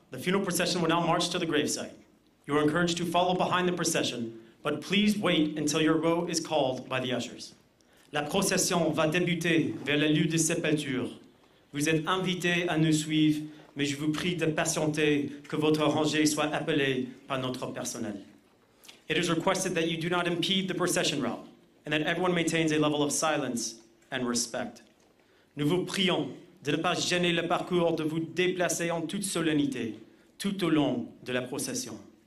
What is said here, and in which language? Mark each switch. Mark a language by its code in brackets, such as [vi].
[en] The funeral procession will now march to the gravesite. You are encouraged to follow behind the procession, but please wait until your row is called by the ushers. [fr] La procession va débuter vers le lieu de sépulture. Vous êtes invités à nous suivre, mais je vous prie de patienter que votre rangée soit appelée par notre personnel. [en] It is requested that you do not impede the procession route and that everyone maintains a level of silence and respect. [fr] Nous vous prions de ne pas gêner le parcours, de vous déplacer en toute solennité tout au long de la procession.